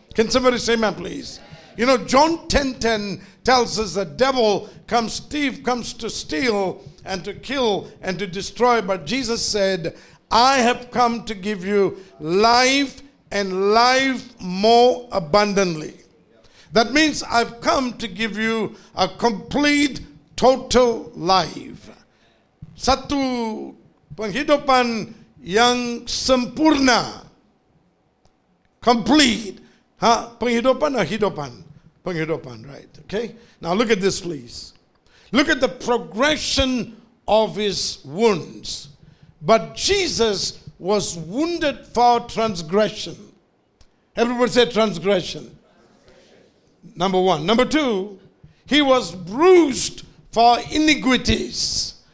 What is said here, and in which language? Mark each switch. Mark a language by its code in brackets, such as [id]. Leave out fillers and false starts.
[en] Can somebody say amen, please? You know, John 10:10 tells us the devil comes, thief comes to steal and to kill and to destroy. But Jesus said, I have come to give you life and life more abundantly. That means I've come to give you a complete, total life. [id] Satu penghidupan yang sempurna. Complete. Huh? Penghidupan or hidupan? [en] Penghidupan, right. Okay. Now look at this, please. Look at the progression of his wounds. But Jesus was wounded for transgression. Everybody say transgression. Number one. Number two, he was bruised for iniquities.